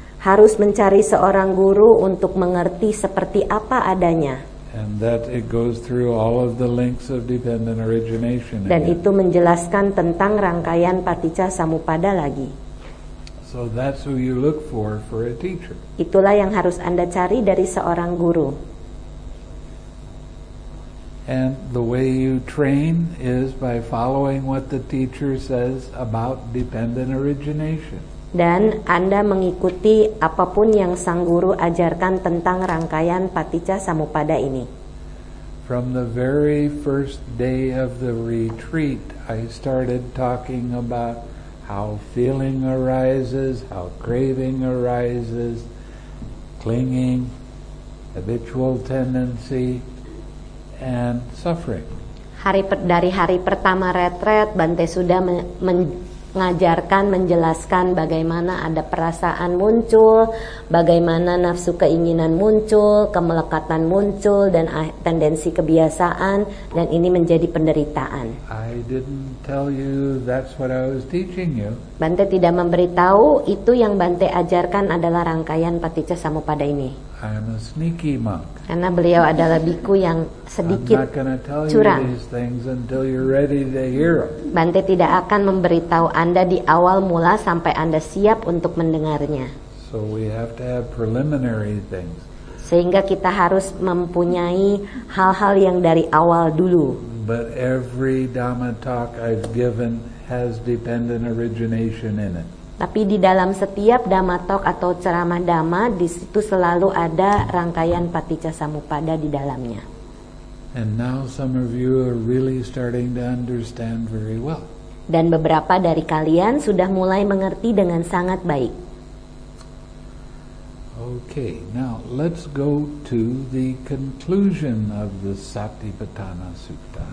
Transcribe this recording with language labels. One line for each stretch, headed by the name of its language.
Indonesian: Harus mencari seorang guru untuk mengerti seperti apa adanya.
English: And that it goes through all of the links of dependent origination.
Indonesian: Dan itu menjelaskan tentang rangkaian paticca samuppada lagi.
English: So that's who you look for a teacher.
Indonesian: Itulah yang harus Anda cari dari seorang guru.
English: And the way you train is by following what the teacher says about dependent origination.
Indonesian: Dan Anda mengikuti apapun yang sang guru ajarkan tentang rangkaian paticca samuppada ini.
English: From the very first day of the retreat, I started talking about how feeling arises, how craving arises, clinging, habitual tendency, and suffering.
Indonesian: Dari hari pertama retret, Bante sudah mengajarkan, menjelaskan bagaimana ada perasaan muncul, bagaimana nafsu keinginan muncul, kemelekatan muncul, dan tendensi kebiasaan, dan ini menjadi penderitaan.
English: I didn't tell you that's what I was teaching you.
Indonesian: Bante tidak memberitahu itu yang Bante ajarkan adalah rangkaian paticca samuppada ini.
English: I'm a sneaky monk.
Indonesian: Karena beliau adalah biku yang sedikit curang.
English: These things until you're ready to hear them.
Indonesian: Bante tidak akan memberitahu Anda di awal mula sampai Anda siap untuk mendengarnya.
English: So we have to have preliminary things.
Indonesian: Sehingga kita harus mempunyai hal-hal yang dari awal dulu.
English: But every Dhamma talk I've given has dependent origination in it.
Indonesian: Tapi di dalam setiap Dhamma talk atau ceramah Dhamma, di situ selalu ada rangkaian paticca samuppada di dalamnya.
English: And now some of you are really starting to understand very well.
Indonesian: Dan beberapa dari kalian sudah mulai mengerti dengan sangat baik.
English: Okay, now let's go to the conclusion of the Satipatthana Sutta.